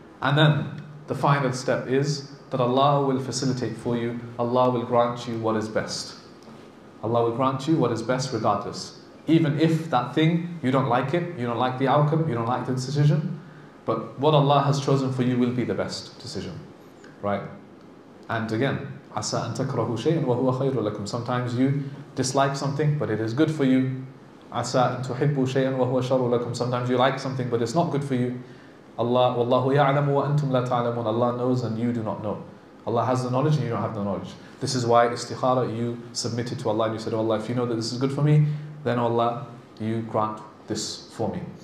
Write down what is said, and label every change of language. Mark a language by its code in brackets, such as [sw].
[en] And then the final step is that Allah will facilitate for you. Allah will grant you what is best. Allah will grant you what is best regardless. Even if that thing, you don't like it, you don't like the outcome, you don't like the decision. But what Allah has chosen for you will be the best decision. Right? And again, [ar] عَسَىٰ أَن تَكْرَهُ شَيْءٍ وَهُوَ خَيْرٌ لَكُمْ. [en] Sometimes you dislike something, but it is good for you. [ar] عَسَىٰ أَن تُحِبُّ شَيْءٍ وَهُوَ شَرٌ لَكُمْ. [en] Sometimes you like something, but it's not good for you. Allah, [ar] wallahu ya'lamu wa antum la ta'lamun. [en] Allah knows and you do not know. Allah has the knowledge and you don't have the knowledge. This is why istikhara, you submitted to Allah and you said, oh Allah, if you know that this is good for me, then oh Allah, you grant this for me.